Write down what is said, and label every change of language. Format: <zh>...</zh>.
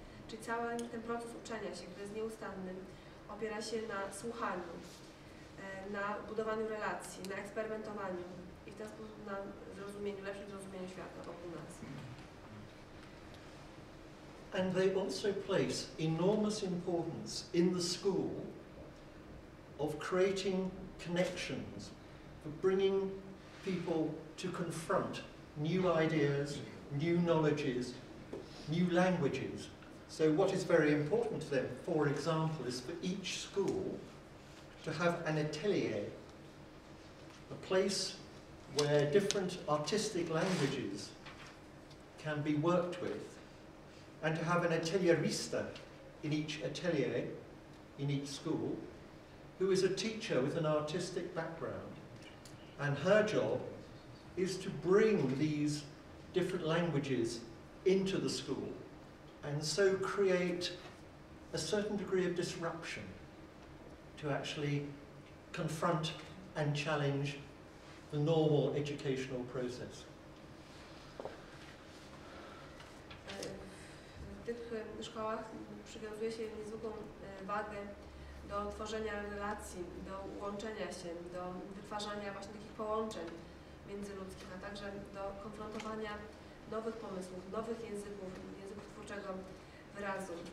<pl>Czyli cały ten proces uczenia się, który jest nieustanny, opiera się na słuchaniu, na budowaniu relacji, na eksperymentowaniu i w ten sposób na zrozumieniu, lepszym zrozumieniu świata wokół nas.</pl> <en>And they also place enormous importance in the school of creating connections, for bringing people to confront new ideas, new knowledges, new languages. So what is very important to them, for example, is for each school to have an atelier, a place where different artistic languages can be worked with. And to have an atelierista in each atelier, in each school, who is a teacher with an artistic background. And her job is to bring these different languages into the school and so create a certain degree of disruption to actually confront and challenge the normal educational process.</en> <pl>W tych szkołach przywiązuje się niezwykłą wagę do tworzenia relacji, do łączenia się, do wytwarzania właśnie takich połączeń międzyludzkich, a także do konfrontowania nowych pomysłów, nowych języków, języków twórczego wyrazu.</pl>